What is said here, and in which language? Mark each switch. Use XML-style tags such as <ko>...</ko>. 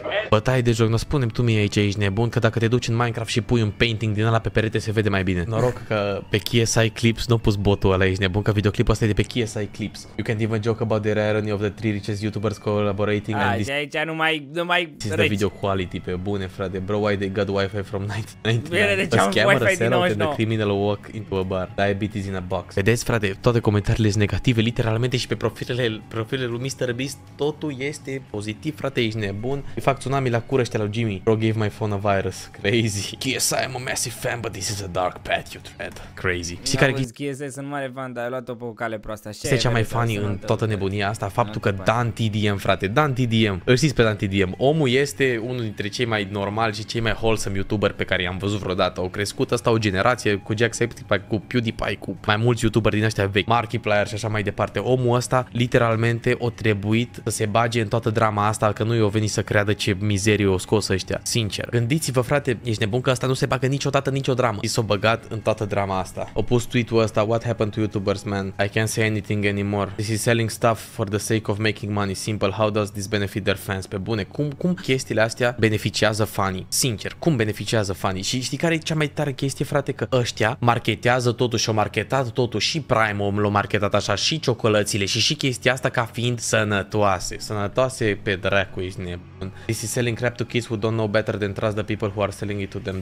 <ro>Bătaie de joc. Nu, spune-mi tu mie aici, ești nebun, că dacă te duci în Minecraft și pui un painting din ăla pe perete, se vede mai bine. Noroc că pe KSI Clips nu pus botul ăla, ești nebun, că videoclipul ăsta e de pe KSI Clips.</ro> <en>You can't even joke about the irony of the three richest YouTubers collaborating.</en> <ro>Ah, și aici nu mai</ro> <en>this is the video quality,</en> <ro>pe bune, frate.</ro> <en>Bro, why they got Wi-Fi from 99? A scammer sellout and a criminal walk into a bar. Diabetes in a box.</en> <ro>Vedeți, frate, toate comentariile sunt negative, literalmente, și pe profilele lui Mr. Beast totul este pozitiv, frate, ești nebun. Îi fac tsunami la cură ăștia la Jimmy.</ro> <en>Bro gave my phone a virus. Crazy. KSI, I'm a massive fan, but this is a dark path you tread. Crazy.</en> <ro>Știi care chestie? KSI, sunt mare fan, dar ai luat-o pe o cale proastă. Ce e cea mai funny în toată nebunia asta? Faptul că Dan TDM, frate, Dan TDM. Îl știți pe Dan TDM. Omul este unul dintre cei mai normali și cei mai wholesome YouTuber pe care i-am văzut vreodată. Au crescut ăsta o generație cu Jacksepticeye, cu PewDiePie, cu mai mulți YouTuber din ăștia vechi, Markiplier și așa mai departe. Omul ăsta literalmente o trebuit să se bage în toată drama asta, că nu i-o veni să creadă ce mizerie o scos ăștia. Sincer, gândiți-vă, frate, ești nebun că ăsta nu se bagă niciodată nicio dramă. I s-a băgat în toată drama asta. A pus tweet-ul ăsta,</ro> <en>what happened to YouTubers, man? I can't say anything anymore. This is selling stuff for the sake of making money. Simple, how does this benefit their fans?</en> <ro>Pe bune, cum chestiile astea beneficiază fanii. Sincer, cum beneficiază fanii? Și știi care e cea mai tare chestie, frate? Că ăștia marketează totuși, și-au marketat totuși și Prime-ul, l-au marketat așa și ciocolățile și chestia asta ca fiind sănătoase. Sănătoase pe dracu, ești nebun.</ro> <en>This is selling crap to kids who don't know better than trust the people who are selling it to them.</en>